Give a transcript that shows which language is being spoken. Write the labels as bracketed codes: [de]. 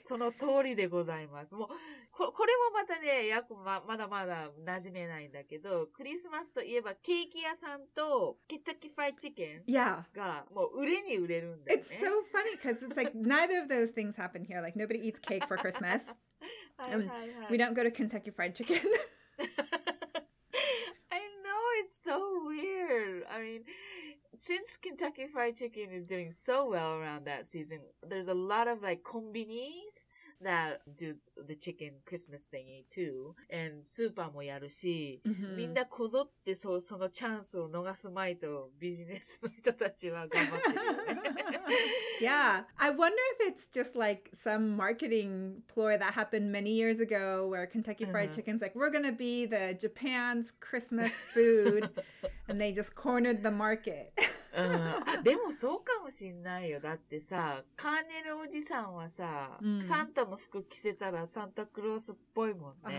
[ja] その通りでございます。もう、これもまたね、やこ まだまだ馴染めないんだけど、クリスマスといえばケーキ屋さんとケンタッキーフライチキンがもう売れに売れるんだよね。 [en] It's so funny because it's like neither of those things happen here. Like nobody eats cake for Christmas. We don't go to Kentucky Fried Chicken. I know, it's so weird. I mean, since Kentucky Fried Chicken is doing so well around that season, there's a lot of like konbinis that do the chicken Christmas thingy too. [ja] And スーパーもやるし、mm-hmm. みんなこぞってそのチャンスを逃すまいとビジネスの人たちは頑張ってる。 [en] Yeah, I wonder if it's just like some marketing ploy that happened many years ago where Kentucky Fried Chicken's like, we're going to be the Japan's Christmas food. And they just cornered the market. [ja] でもそうかもしんないよ。だってさ、カーネルおじさんはさ、サンタの服着せたらサンタクロースっぽいもんね。